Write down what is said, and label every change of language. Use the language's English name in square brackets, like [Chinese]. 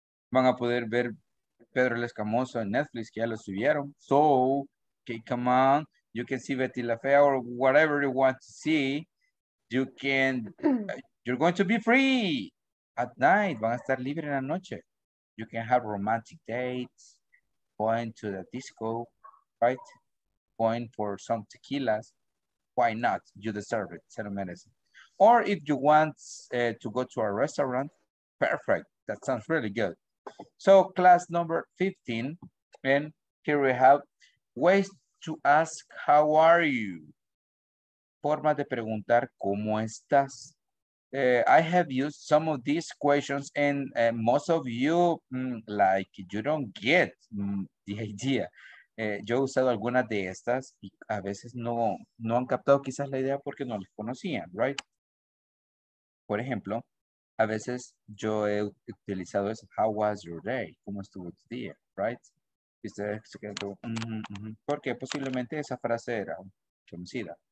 [Spanish] van a poder ver Pedro el Escamoso en Netflix, que ya lo subieron. [English] So, okay, come on. You can see Betty La Fea or whatever you want to see. You can, you're going to be free at night. [Spanish] Van a estar libre en la noche. [English] You can have romantic dates, going to the disco, right? Going for some tequilas. Why not? You deserve it. [Spanish] Se lo merecen. [English] Or if you want to go to a restaurant, perfect. That sounds really good. So class number 15, and here we have ways to ask how are you? [Spanish] Formas de preguntar cómo estás. [English] I have used some of these questions, and most of you, like, you don't get the idea. [Spanish] Yo he usado algunas de estas y a veces no han captado quizás la idea porque no las conocían, right? Por ejemplo, a veces yo he utilizado eso. [English] How was your day? [Spanish] ¿Cómo estuvo tu día? Right? Ustedes se quedan como, porque posiblemente esa frase era conocida.